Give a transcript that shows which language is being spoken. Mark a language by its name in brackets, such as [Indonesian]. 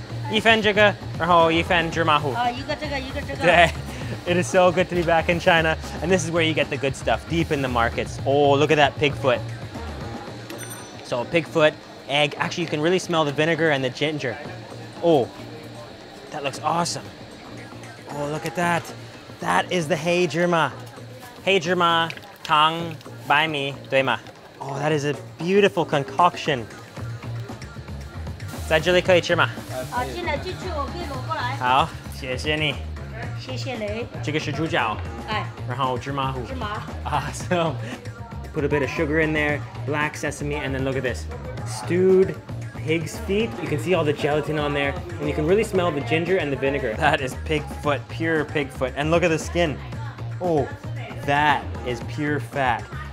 [Chinese] 一份这个, 然后一份芝麻糊. 一个这个, 一个这个.对. [English] It is so good to be back in China. And this is where you get the good stuff, deep in the markets. Oh, look at that pig foot. So pig foot. Egg. Actually, you can really smell the vinegar and the ginger. Oh, that looks awesome. Oh, look at that. That is the hei zhima. [Chinese] Hei zhima, tang, bai mi, dui ma. [English] Oh, that is a beautiful concoction. [Chinese] 在这里可以吃吗? 进来进去,我可以挪过来。好,谢谢你。谢谢你。这个是猪脚, 然后芝麻糊。芝麻。 [English] Awesome. Put a bit of sugar in there, black sesame, and then look at this. Stewed pig's feet. You can see all the gelatin on there, and you can really smell the ginger and the vinegar. That is pig foot, pure pig foot. And look at the skin. Oh, that is pure fat.